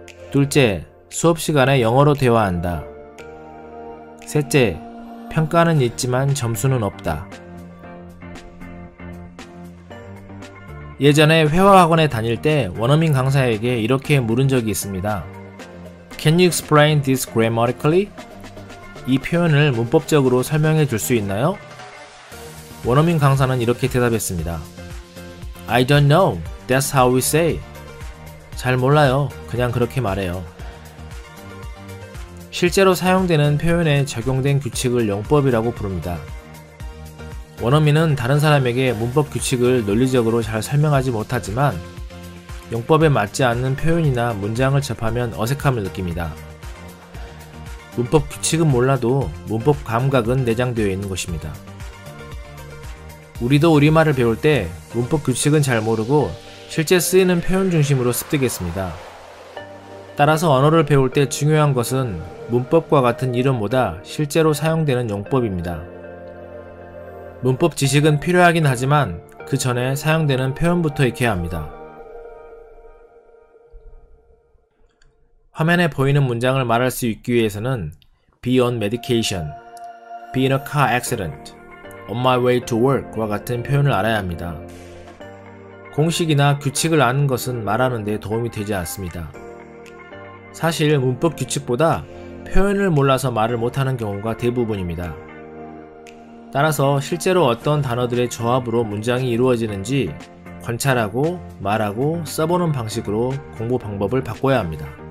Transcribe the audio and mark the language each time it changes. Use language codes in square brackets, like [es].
[ko] 둘째, 수업 시간에 영어로 대화한다. 셋째, 평가는 있지만 점수는 없다. 예전에 회화 학원에 다닐 때 원어민 강사에게 이렇게 물은 적이 있습니다. [en] Can you explain this grammatically? [ko] 이 표현을 문법적으로 설명해 줄수 있나요? 원어민 강사는 이렇게 대답했습니다. [en] I don't know. That's how we say. [ko] 잘 몰라요. 그냥 그렇게 말해요. 실제로 사용되는 표현에 적용된 규칙을 영법이라고 부릅니다. 원어민은 다른 사람에게 문법 규칙을 논리적으로 잘 설명하지 못하지만, 영법에 맞지 않는 표현이나 문장을 접하면 어색함을 느낍니다. 문법 규칙은 몰라도 문법 감각은 내장되어 있는 것입니다. 우리도 우리말을 배울 때 문법 규칙은 잘 모르고 실제 쓰이는 표현 중심으로 습득했습니다. 따라서 언어를 배울 때 중요한 것은 문법과 같은 이론보다 실제로 사용되는 용법입니다. 문법 지식은 필요하긴 하지만 그 전에 사용되는 표현부터 익혀야 합니다. 화면에 보이는 문장을 말할 수 있기 위해서는 [en] be on medication, be in a car accident, on my way to work [ko] 과 같은 표현을 알아야 합니다. 공식이나 규칙을 아는 것은 말하는 데 도움이 되지 않습니다. 사실 문법 규칙보다 표현을 몰라서 말을 못하는 경우가 대부분입니다. 따라서 실제로 어떤 단어들의 조합으로 문장이 이루어지는지 관찰하고 말하고 써보는 방식으로 공부 방법을 바꿔야 합니다.